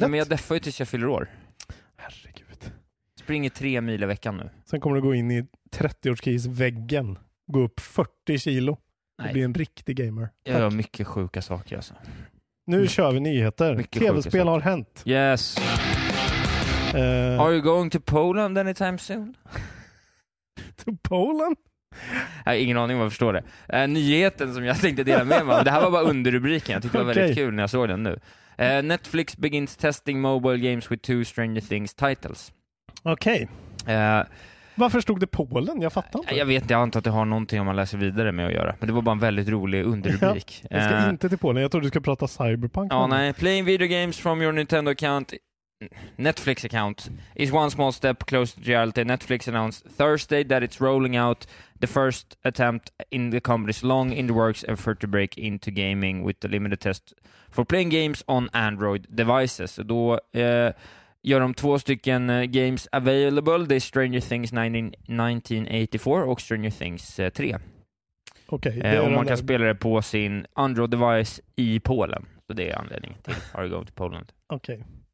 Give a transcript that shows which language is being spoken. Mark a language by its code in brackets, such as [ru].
[sv] Nej, men jag deffar ju tills jag fyller år. Herregud. Springer 3 mil i veckan nu. Sen kommer du gå in i 30-årskrisväggen, gå upp 40 kilo. Nej. Och bli en riktig gamer. Jag har mycket sjuka saker alltså. Nu kör vi nyheter. Mycket TV-spel sjukhet. Har hänt. Yes. [en] Are you going to Poland anytime soon? To Poland? [sv] Jag har ingen aning om vad jag förstår det. Nyheten som jag tänkte dela med mig. Det här var bara underrubriken. Jag tyckte det var väldigt kul när jag såg den nu. [en] Netflix begins testing mobile games with two Stranger Things titles. [sv] Okej. Varför stod det Polen? Jag fattar inte. Jag vet inte. Jag antar att det har någonting om man läser vidare med att göra. Men det var bara en väldigt rolig underrubrik. Jag ska inte till Polen. Jag tror du ska prata cyberpunk. Ja, nej. [en] Playing video games from your Nintendo account... Netflix account is one small step closer to reality. Netflix announced Thursday that it's rolling out the first attempt in the company's long in the works effort to break into gaming with a limited test for playing games on Android devices. [sv] Då gör de två stycken [en] games available. [sv] Det är Stranger Things 1984 och Stranger Things 3. Okay, och man kan spela det på sin Android device i Polen. Så det är anledningen till [en] Are you going to Poland? Okej. Okay.